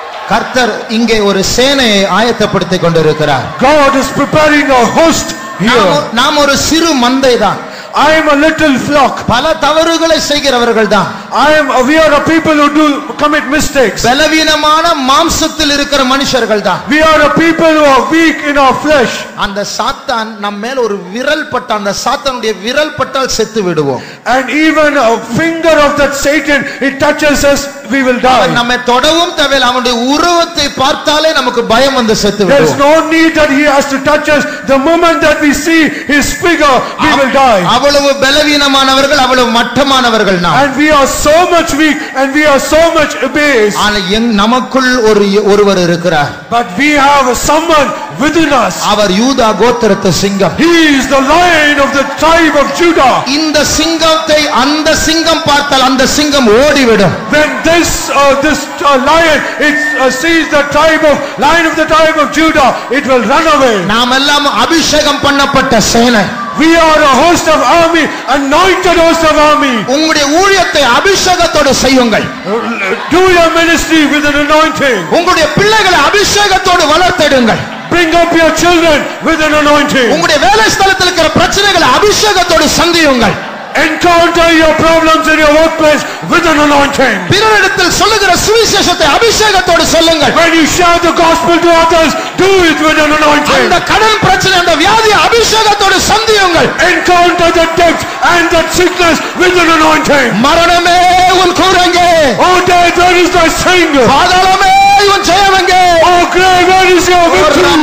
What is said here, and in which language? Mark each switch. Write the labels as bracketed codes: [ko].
[ta] கர்த்தர் இங்கே ஒரு சேனையை ஆயத்தப்படுத்திக் கொண்டிருக்கிறார். [en] God is preparing a host here. [ta] நாம் ஒரு சிறு மந்தை தான். [en] I am a little flock. [ta] பல தவறுகளை செய்கிறவர்கள் தான். [en] I am we are a people who do commit mistakes. [ta] பலவீனமான மாம்சத்தில் இருக்கிற மனுஷர்கள் தான். [en] We are a people who are weak in our flesh. [ta] அந்த சாத்தான் நம்ம மேல் ஒரு விரல் பட்ட அந்த சாத்தானுடைய விரல் பட்டால் செத்து விடுவோம். [en] And even a finger of that Satan, it touches us, we will die. [ta] அவன் நம்மை தொடவும் தவில் அவனுடைய உருவத்தை பார்த்தாலே நமக்கு பயம் வந்து செத்து விடுவோம். [en] There is no need that he has to touch us. The moment that we see his figure, we will die. [ta] அவ்வளவு பலவீனமானவர்கள், அவ்வளவு மட்டமானவர்கள் நாம். [en] And we are so much weak and we are so much abased. [ta] ஆனால் நமக்குள் ஒருவர் இருக்கிறார். [en] But we have someone within us. [ta] அவர் யூதா கோத்திரத்து சிங்கம். [en] He is the lion of the tribe of Judah. [ta] இந்த சிங்கத்தை அந்த சிங்கம் பார்த்தால் அந்த சிங்கம் ஓடிவிடும். [en] When this lion sees the tribe of lion of the tribe of Judah, it will run away. [ta] நாம் எல்லாம் அபிஷேகம் பண்ணப்பட்ட சேனை. [en] We are a host of army, anointed host of army. [ta] உங்களுடைய ஊழியத்தை அபிஷேகத்தோட செய்யுங்கள். [en] Do your ministry with an anointing. [ta] உங்களுடைய பிள்ளைகளை அபிஷேகத்தோட வளர்த்தெடுங்கள். [en] Bring up your children with an anointing. [ta] உங்களுடைய வேலை ஸ்தலத்தில் இருக்கிற பிரச்சனைகளை அபிஷேகத்தோட சந்தியுங்கள். [en] Encounter your problems in your workplace with an anointing. [ta] பிறரிடத்தில் சொல்லுகிற சுவிசேஷத்தை அபிஷேகத்தோடு சொல்லுங்கள். [en] When you share the gospel to others, do it with an anointing. [ta] அந்த கடன் பிரச்சனை, அந்த வியாதி அபிஷேகத்தோடு சந்தியுங்கள். [en] Encounter the debt and the sickness with an anointing. [ta] மரணமே உன் கூரங்கே. [en] Oh death, where is thy sting? [ta] பாதாளமே உன் ஜெயமங்கே. [en] Oh grave, where is your victory?